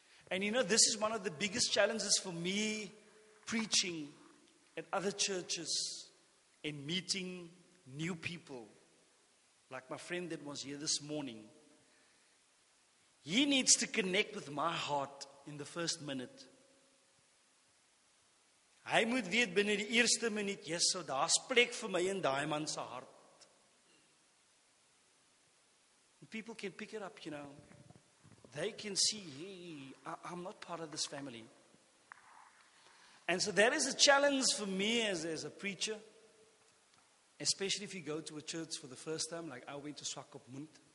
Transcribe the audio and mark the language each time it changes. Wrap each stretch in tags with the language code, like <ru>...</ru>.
<en>And you know, this is one of the biggest challenges for me preaching at other churches and meeting new people, like my friend that was here this morning. He needs to connect with my heart in the first minute.</en> <af>Hy moet weet binne die eerste minuut, yes, so daar's plek vir my in daai man se hart.</af> <en>People can pick it up, you know. They can see, hey, I'm not part of this family. And so that is a challenge for me as a preacher, especially if you go to a church for the first time, like I went to Swakopmund.</en>